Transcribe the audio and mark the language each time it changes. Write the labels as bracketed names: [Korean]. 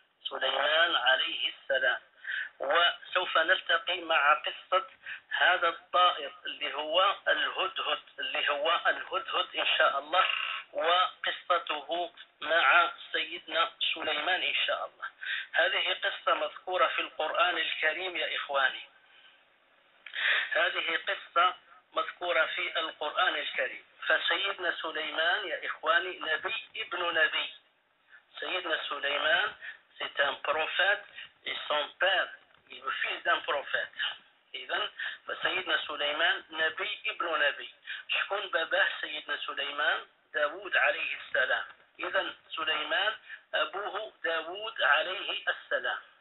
[Arabic] سليمان عليه السلام، وسوف نلتقي مع قصة هذا الطائر اللي هو الهدهد، اللي هو الهدهد إن شاء الله، وقصته مع سيدنا سليمان إن شاء الله. هذه قصة مذكورة في القرآن الكريم يا إخواني، هذه قصة مذكورة في القرآن الكريم. فسيدنا سليمان يا إخواني نبي ابن نبي، سيدنا سليمان [French] c'est un prophète et son père est le fils d'un prophète. [Arabic] إذن فسيدنا سليمان نبي ابن نبي. شكون باباه سيدنا سليمان؟ داود عليه السلام. إذن سليمان أبوه داود عليه السلام.